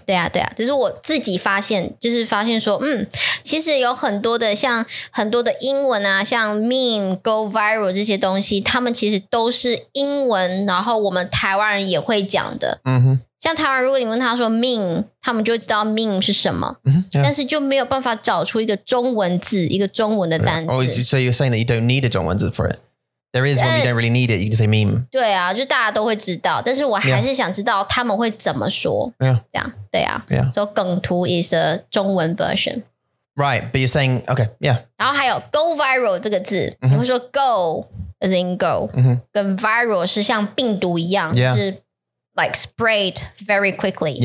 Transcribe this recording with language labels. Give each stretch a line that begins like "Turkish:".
Chinese: 对啊，只是我自己发现，就是发现说，其实有很多的像很多的英文啊，像 meme, go viral 这些东西，他们其实都是英文，然后我们台湾人也会讲的。像台湾，如果你问他说 meme, 他们就知道 meme 是什么，但是就没有办法找出一个中文字，一个中文的单字。
English: Oh, so you're saying that you don't need a
Chinese: 中文字
English: for it? There is one, you don't really need it, you can say meme.
Chinese: 对啊，就大家都会知道，但是我还是想知道他们会怎么说。
English: Yeah.
Chinese: 这样，对啊。
English: Yeah. So, 梗图 is a 中文 version. Right, but you're saying, okay, yeah.
Chinese: 然后还有 go viral 这个字，你会说 go,
English: as in go,
Chinese: 跟 viral 是像病毒一样，是
English: like spread very quickly.